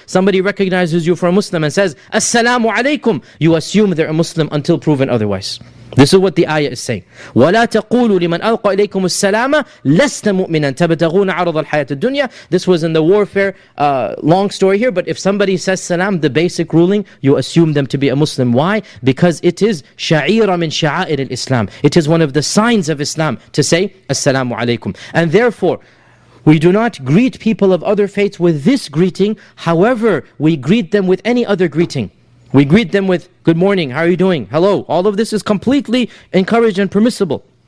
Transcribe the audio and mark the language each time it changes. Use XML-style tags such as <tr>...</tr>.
<en>Somebody recognizes you for a Muslim and says assalamu alaikum. You assume they're a Muslim until proven otherwise. This is what the ayah is saying.</en> <ar>وَلَا تَقُولُوا لِمَنْ أَلْقَى إِلَيْكُمُ السَّلَامَ لَسْتَ مُؤْمِنًا تَبْتَغُونَ عَرَضَ الْحَيَاةِ الدُّنْيَا.</ar> <en>This was in the warfare, long story here, but if somebody says salam, the basic ruling, you assume them to be a Muslim. Why? Because it is</en> <ar>شعيرة من شعائر الإسلام.</ar> <en>It is one of the signs of Islam to say السلام عليكم. And therefore, we do not greet people of other faiths with this greeting, however, we greet them with any other greeting. We greet them with, good morning, how are you doing, hello. All of this is completely encouraged and permissible.</en>